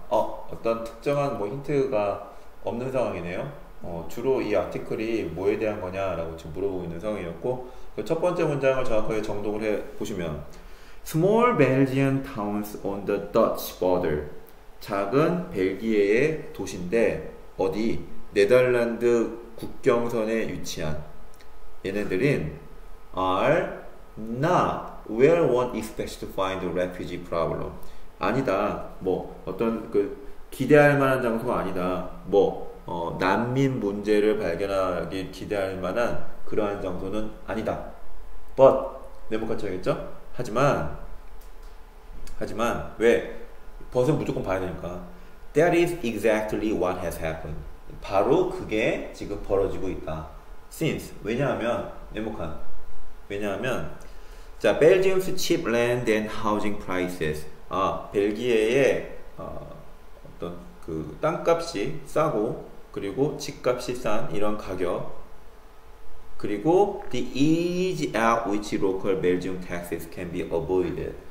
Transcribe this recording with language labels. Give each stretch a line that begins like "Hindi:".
Korean: 어떤 특정한 뭐 힌트가 없는 상황이네요. 주로 이 아티클이 뭐에 대한 거냐라고 지금 물어보고 있는 상황이었고, 그첫 번째 문장을 정확하게 정독을 해 보시면
English: Small Belgian towns on the Dutch border.
Korean: 작은 벨기에의 도시인데 어디? 네덜란드 국경선에 위치한 얘네들인
English: are not where one expects to find a refugee problem.
Korean: 아니다. 뭐 어떤 그 기대할 만한 장소가 아니다. 뭐 난민 문제를 발견하기 기대할 만한 그러한 장소는 아니다. But 네모 카츠겠죠? 하지만 왜 버스는 무조건 봐야 되니까.
English: That is exactly what has happened.
Korean: 바로 그게 지금 벌어지고 있다. Since 왜냐하면 네모칸. 왜냐하면 자
English: Belgium's cheap land and housing prices.
Korean: 벨기에의 어떤 그 땅값이 싸고 그리고 집값이 싼 이런 가격. 그리고
English: the ease at which local Belgium taxes can be avoided.